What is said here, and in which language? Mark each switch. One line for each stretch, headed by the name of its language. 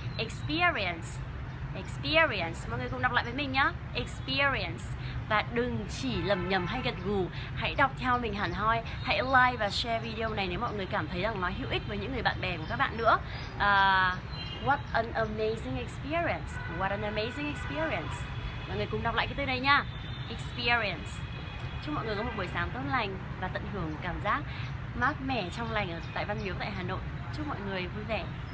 English: Experience, experience.
Vietnamese: Mọi người cùng đọc lại với mình nhá. Experience. Và đừng chỉ lầm nhầm hay gật gù, hãy đọc theo mình hẳn hoi. Hãy like và share video này nếu mọi người cảm thấy rằng nó hữu ích với những người bạn bè của các bạn nữa.
English: What an amazing experience. What an amazing experience.
Vietnamese: Mọi người cùng đọc lại cái từ này nhá. Experience. Chúc mọi người có một buổi sáng tốt lành và tận hưởng cảm giác mát mẻ trong lành ở tại Văn Miếu tại Hà Nội. Chúc mọi người vui vẻ.